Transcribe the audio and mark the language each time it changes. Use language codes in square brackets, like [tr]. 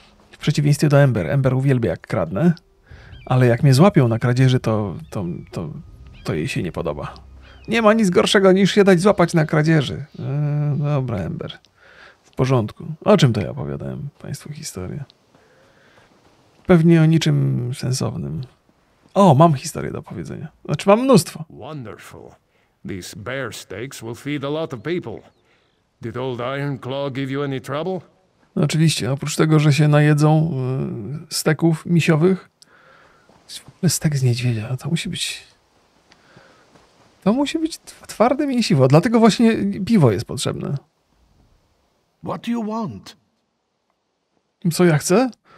[pl] W przeciwieństwie do Ember. Ember uwielbia, jak kradnę. Ale jak mnie złapią na kradzieży, to jej się nie podoba. Nie ma nic gorszego, niż się dać złapać na kradzieży. Dobra, Ember. W porządku. O czym to ja opowiadałem państwu historię? Pewnie o niczym sensownym. O, mam historię do powiedzenia. Znaczy, mam mnóstwo. [en] Wonderful. These bear steaks will feed a lot of people. Did old Iron Claw give you any trouble? [pl] No, oczywiście. Oprócz tego, że się najedzą steków misiowych, stek z niedźwiedzia, to musi być twarde mięsiwo, dlatego właśnie piwo jest potrzebne. [en] What do you want? [pl] Co ja chcę?